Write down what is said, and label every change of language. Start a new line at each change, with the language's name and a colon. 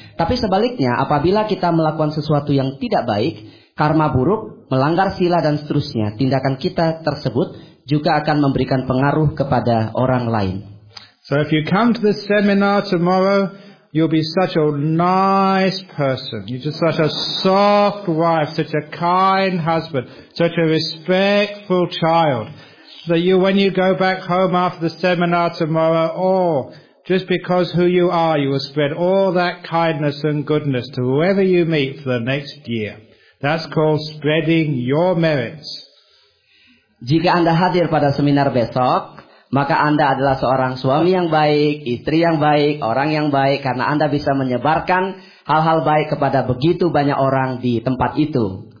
Indonesian: Tapi sebaliknya, apabila kita melakukan sesuatu yang tidak baik, karma buruk, melanggar sila dan seterusnya, tindakan kita tersebut juga akan memberikan pengaruh kepada orang lain.
English: So if you come to the seminar tomorrow, you'll be such a nice person. You're just such a soft wife, such a kind husband, such a respectful child. that you, when you go back home after the seminar tomorrow, or just because who you are, you will spread all that kindness and goodness to whoever you meet for the next year. That's called spreading your merits.
Indonesian: Jika Anda hadir pada seminar besok, maka Anda adalah seorang suami yang baik, istri yang baik, orang yang baik, karena Anda bisa menyebarkan hal-hal baik kepada begitu banyak orang di tempat itu.